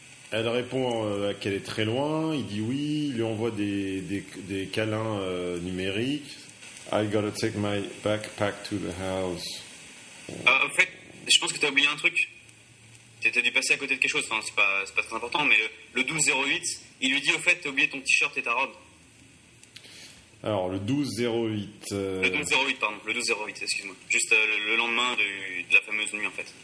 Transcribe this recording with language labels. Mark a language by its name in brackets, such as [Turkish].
[French] Elle répond qu'elle est très loin. Il dit oui. Il lui envoie des câlins numériques. [English] I gotta take my backpack to the house. [French] En fait, je pense que t'as oublié un truc. T'as dû passer à côté de quelque chose. Enfin, c'est pas très important, mais le 12-08, il lui dit au fait, t'as oublié ton t-shirt et ta robe. Alors, le 12-08... Le 12-08, excuse-moi. Juste le lendemain de la fameuse nuit, en fait.